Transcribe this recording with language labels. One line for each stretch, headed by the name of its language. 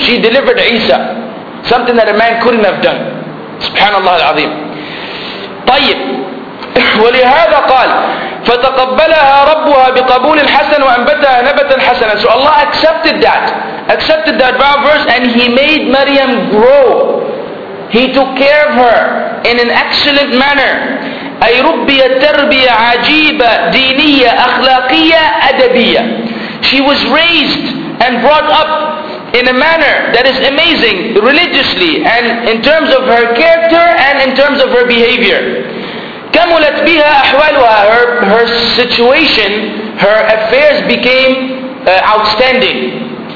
English: She delivered Isa, something that a man couldn't have done.
Arabic: Subhanallah al-Azim. طيب, ولهذا قال فتقبلها ربها بقبول حسن وأنبتها نبتا حسنا.
English: So Allah accepted that vow verse, and he made Maryam grow. He took care of her in an excellent manner.
Arabic: أي ربي التربية عجيبة دينية أخلاقية أدبية.
English: She was raised and brought up in a manner that is amazing religiously and in terms of her character and in terms of her behavior.
Arabic: كملت بها أحوالها,
English: her situation, her affairs became outstanding.